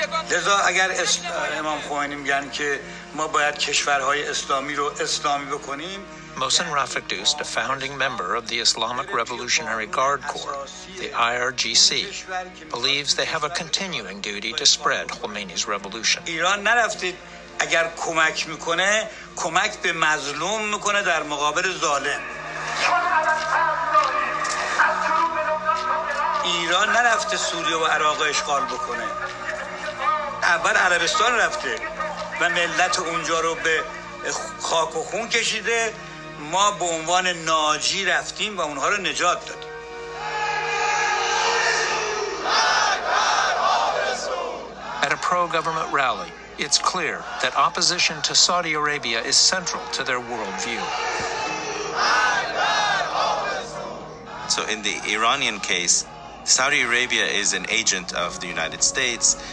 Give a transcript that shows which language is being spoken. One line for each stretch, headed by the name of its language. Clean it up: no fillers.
Persian: لذا اگر امام خمینی میگن که ما باید کشورهای اسلامی رو اسلامی بکنیم
English: Mohsen Rafik Dost, a founding member of the Islamic Revolutionary Guard Corps, the IRGC, believes they have a continuing duty to spread Khomeini's revolution.
Persian: ایران نرفتید اگر کمک میکنه کمک به مظلوم میکنه در مقابل ظالم ایران نرفته سوریه و عراق اشغال بکنه اول عربستان رفته و ملت اونجا رو به خاک و خون کشیده ما به عنوان ناجی رفتیم و اونها رو نجات دادیم
English: At a pro-government rally, it's clear that opposition to Saudi Arabia is central to their worldview. So in the Iranian case, Saudi Arabia is an agent of the United States.